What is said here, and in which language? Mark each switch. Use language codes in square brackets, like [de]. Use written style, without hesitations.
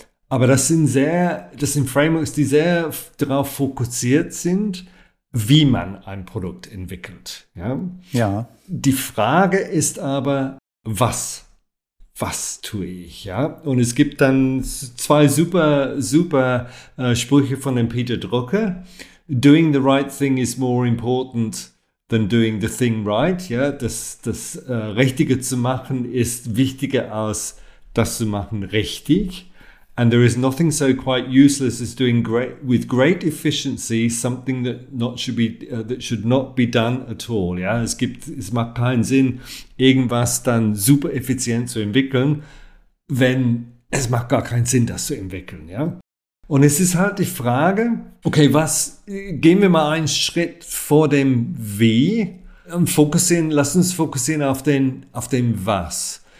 [de] Aber das sind Frameworks, die sehr darauf fokussiert sind, wie man ein Produkt entwickelt. Ja. Ja. Die Frage ist aber, was tue ich, ja? Und es gibt dann zwei super Sprüche von dem Peter Drucker. [en] Doing the right thing is more important than doing the thing right, ja? [de] Das Richtige zu machen ist wichtiger als das zu machen richtig. [en] And there is nothing so quite useless as doing with great efficiency something that should not be done at all. [de] Ja, es macht keinen Sinn, irgendwas dann super effizient zu entwickeln, wenn es macht gar keinen Sinn, das zu entwickeln. Ja, und es ist halt die Frage, okay, was gehen wir mal einen Schritt vor dem Wie und lass uns fokussieren auf dem Was.